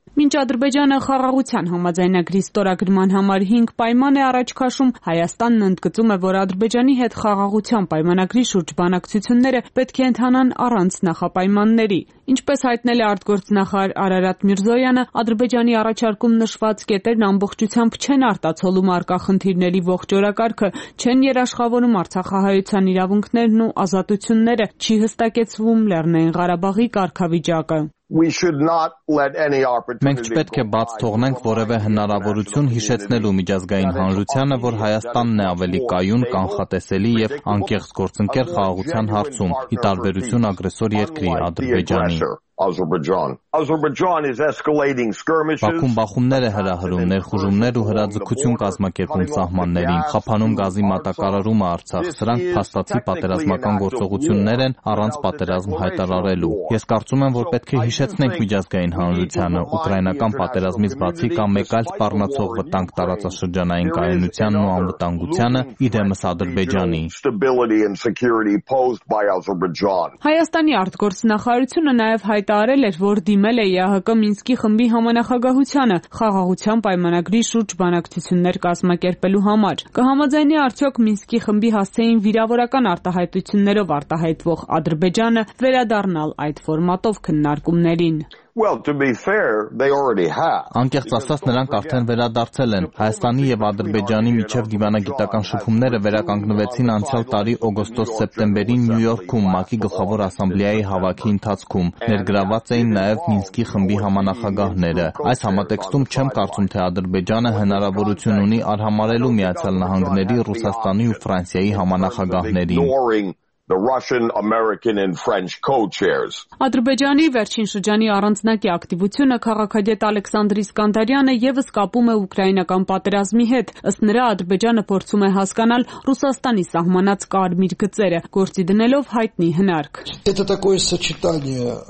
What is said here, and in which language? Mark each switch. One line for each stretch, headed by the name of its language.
Armenian: Մինչ Ադրբեջանը խաղաղության համաձայնագրի ստորագրման համար 5 պայման է առաջ քաշում, Հայաստանն ընդգծում է, որ Ադրբեջանի հետ խաղաղության պայմանագրի շուրջ բանակցությունները պետք է ընթանան առանց նախապայմանների։ Ինչպես հայտնել է արտգործնախարար Արարատ Միրզոյանը, Ադրբեջանի առաջարկում նշված կետերն ամբողջությամբ չեն արտացոլում արկախնդիրների ողջորակարգը, չեն երաշխավորում արցախահայության իրավունքներն ու ազատությունները, չի հստակեցվում Լեռնային Ղարաբաղի կարգավիճակը։
English: We should not let any opportunity.
Armenian: Մենք չպետք է բաց թողնենք որևէ հնարավորություն հիշեցնելու միջազգային հանրությանը, որ Հայաստանն է ավելի կայուն, կանխատեսելի և անկեղծ գործընկեր խաղաղության հարցում, ի տարբերություն ագրեսոր երկրի Ադրբեջանի։
English: Ադրբեջան is escalating skirmishes.
Armenian: Բաքուն բախումներ է հրահրում, ներխուժումներ ու հրաձգություն կազմակերպում սահմաններին, խափանում գազի մատակարարումը Արցախ, սրանք փաստացի պատերազմական գործողություններ են առանց պատերազմ հայտարարելու։ Ես կարծում եմ, որ պետք է հիշեցնենք միջազգային հանրությանը, ուկրաինական պատերազմից բացի կամ մեկ այլ սպառնացող վտանգ տարածաշրջանային կայունությանն ու անվտանգությանը իդեմս Ադրբեջանի։ Հայաստանի արտգործնախարարությունը նաև հայտարել էր, որ դիմել է ՀՀԿ Մինսկի խմբի համանախագահությանը խաղաղության պայմանագրի շուրջ բանակցություններ կազմակերպելու համար։ Կհամաձայնի արդյոք Մինսկի խմբի հասցեին վիրավորական արտահայտություններով արտահայտվող Ադրբեջանը վերադառնալ այդ ֆորմատով քննարկումներին։
English: Well, to be fair, they already have.
Armenian: Անկեղծ ասած, նրանք արդեն վերադարձել են։ Հայաստանի և Ադրբեջանի միջև դիվանագիտական շփումները վերականգնվեցին անցյալ տարի օգոստոս-սեպտեմբերին Նյու Յորքում ՄԱԿ-ի գլխավոր ասամբլեայի հավաքի ընթացքում։ Ներգրաված էին նաև Մինսկի խմբի համանախագահները։ Այս համատեքստում չեմ կարծում, թե Ադրբեջանը հնարավորություն ունի արհամարելու Միացյալ Նահանգների, Ռուսաստանի ու Ֆրանսիայի համանախագահներին։
English: the Russian, American and French co-chairs.
Armenian: Ադրբեջանի վերջին շրջանի առանձնակի ակտիվությունը քաղաքագետ Ալեքսանդր Իսկանդարյանը եւս կապում է ուկրաինական պատերազմի հետ։ Ըստ նրա Ադրբեջանը փորձում է հասկանալ Ռուսաստանի սահմանած կարմիր գծերը, գործի դնելով հայտնի հնարք։
Russian: Это такое сочетание